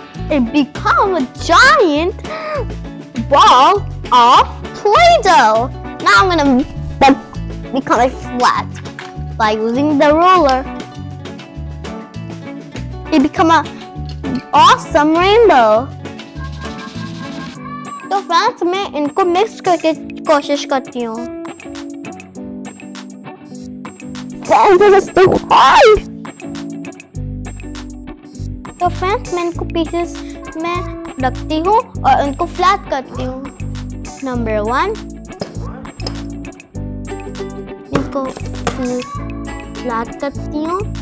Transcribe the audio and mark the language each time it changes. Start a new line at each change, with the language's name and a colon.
English: It becomes a giant ball of Play-Doh. Now I'm gonna become it flat by using the ruler. It become a awesome rainbow.
Hindi: So friends, मैं इनको mix करके कोशिश करती हूँ.
English: Friends, this is too hard.
Hindi: So friends, मैं इनको pieces में रखती हूँ और इनको flat करती हूँ. Number one, इनको फ्लैट करती हूँ।